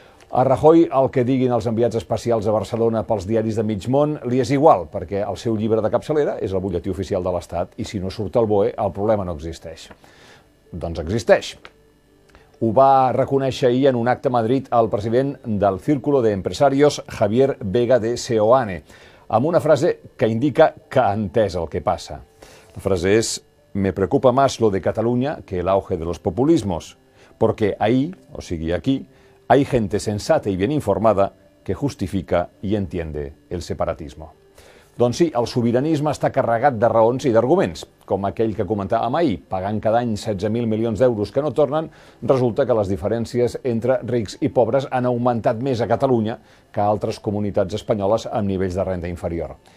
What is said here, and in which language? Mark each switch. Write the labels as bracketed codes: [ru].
[ca] A Rajoy, el que diguin els enviats especials a Barcelona pels diaris de mig món, li és igual, perquè el seu llibre de capçalera és el butlletí oficial de l'Estat, i si no surt el BOE, el problema no existeix. Doncs existeix. Ho va reconèixer ahir en un acte a Madrid el president del Círculo de Empresarios, Javier Vega de Seoane, amb una frase que indica que ha entès el que passa. La frase és [es] «Me preocupa más lo de Cataluña que el auge de los populismos, porque ahí, [ca] o sigui aquí, [es] hay gente sensata y bien informada que justifica y entiende el separatismo». [ca] Doncs sí, el sobiranisme està carregat de raons i d'arguments, com aquell que comentàvem ahir, pagant cada any 16.000 milions d'euros que no tornen, resulta que les diferències entre rics i pobres han augmentat més a Catalunya que a altres comunitats espanyoles amb nivells de renda inferior.